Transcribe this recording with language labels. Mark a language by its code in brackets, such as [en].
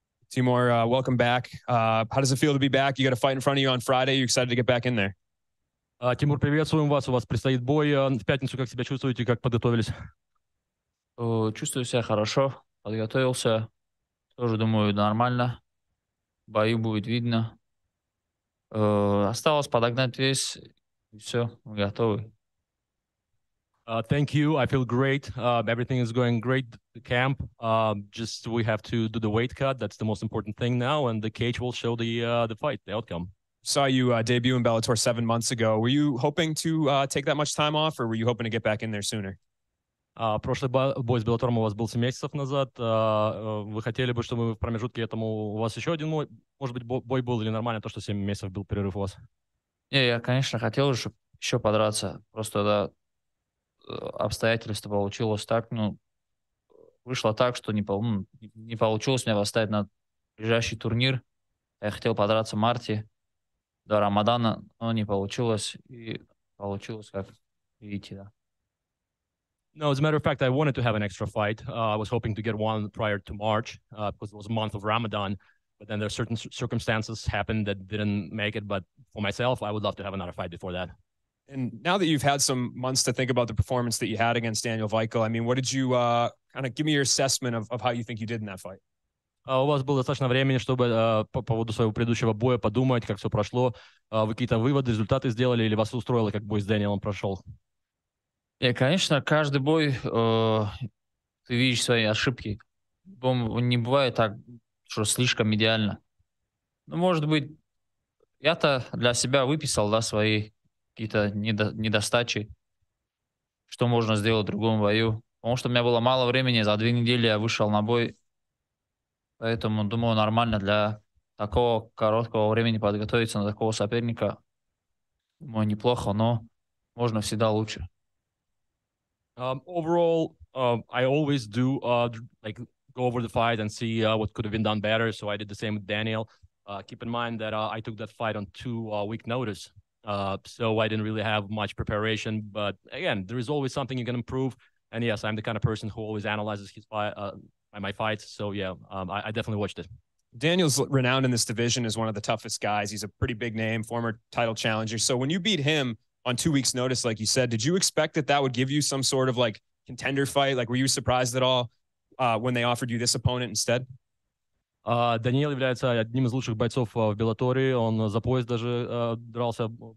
[en] Timur, welcome back. How does it feel to be back? You got a fight in front of you on Friday. Are you excited to get back in there? [ru] Тимур, приветствуем вас. У вас предстоит бой. В пятницу как себя чувствуете? Как подготовились? Чувствую себя хорошо. Подготовился. Тоже думаю, нормально. Бою будет видно. Осталось подогнать вес. Все, готовы. [en] Thank you. I feel great. Everything is going great. The camp. Just we have to do the weight cut. That's the most important thing now. And the cage will show the fight, the outcome. Saw you debut in Bellator 7 months ago. Were you hoping to take that much time off, or were you hoping to get back in there sooner? [ru] Прошлый бой с Bellator у вас был 7 месяцев назад. Вы хотели бы, чтобы в промежутке этому у вас еще один, может быть, бой был или нормально то, что 7 месяцев был перерыв у вас? Не, я, конечно, хотел бы, чтобы еще подраться. Просто да, обстоятельства получилось так, ну, вышло так, что не получилось меня поставить на ближайший турнир. Я хотел подраться в марте. До Рамадана, но не получилось, и получилось, как видите, да. [en] No, as a matter of fact, I wanted to have an extra fight. I was hoping to get one prior to March, because it was a month of Ramadan, but then there are certain circumstances happened that didn't make it, but for myself, I would love to have another fight before that. And now that you've had some months to think about the performance that you had against Daniel Vaickel, I mean, what did you, kind of give me your assessment of how you think you did in that fight? [ru] У вас было достаточно времени, чтобы по поводу своего предыдущего боя подумать, как все прошло. Вы какие-то выводы, результаты сделали или вас устроило, как бой с Дэниелом прошел? Yeah, конечно, каждый бой, ты видишь свои ошибки. Не бывает так, что слишком идеально. Ну, может быть, я-то для себя выписал, да, свои какие-то недостачи, что можно сделать в другом бою. Потому что у меня было мало времени, за 2 недели я вышел на бой. Поэтому, думаю, нормально для такого короткого времени подготовиться на такого соперника. Думаю, неплохо, но можно всегда лучше. [en] Overall, I always do like go over the fight and see what could have been done better. So I did the same with Daniel. Keep in mind that I took that fight on 2-week notice. So I didn't really have much preparation. But again, there is always something you can improve. And yes, I'm the kind of person who always analyzes his fight. My fights, so yeah, I definitely watched it. Daniel's renowned in this division as one of the toughest guys. He's a pretty big name, former title challenger. So when you beat him on 2 weeks' notice, like you said, did you expect that that would give you some sort of like contender fight? Like, were you surprised at all when they offered you this opponent instead? [ru] Daniel является одним из лучших бойцов в Беллаторе. Он за пояс даже дрался.